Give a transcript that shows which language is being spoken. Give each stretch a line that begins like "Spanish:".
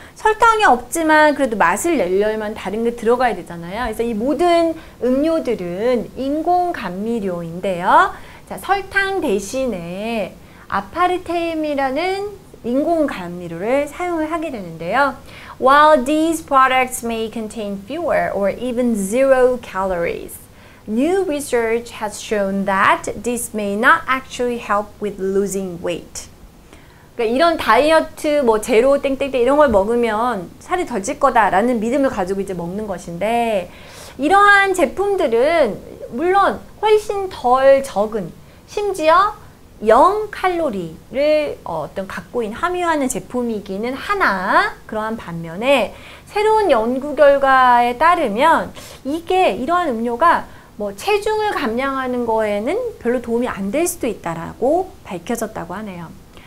Korean: 설탕이 없지만 그래도 맛을 내려면 다른 게 들어가야 되잖아요. 그래서 이 모든 음료들은 인공 감미료인데요. 자, 설탕 대신에 아파르테임이라는 인공 감미료를 사용을 하게 되는데요.
English: While these products may contain fewer or even zero calories, new research has shown that this may not actually help with losing weight.
Korean: 그러니까 이런 다이어트 뭐 제로 땡땡땡 이런 걸 먹으면 살이 덜 찔 거다라는 믿음을 가지고 이제 먹는 것인데 이러한 제품들은 물론 훨씬 덜 적은 심지어 0 칼로리를 어떤 갖고 있는 함유하는 제품이기는 하나 그러한 반면에 새로운 연구 결과에 따르면 이게 이러한 음료가 뭐 체중을 감량하는 거에는 별로 도움이 안 될 수도 있다라고 밝혀졌다고 하네요.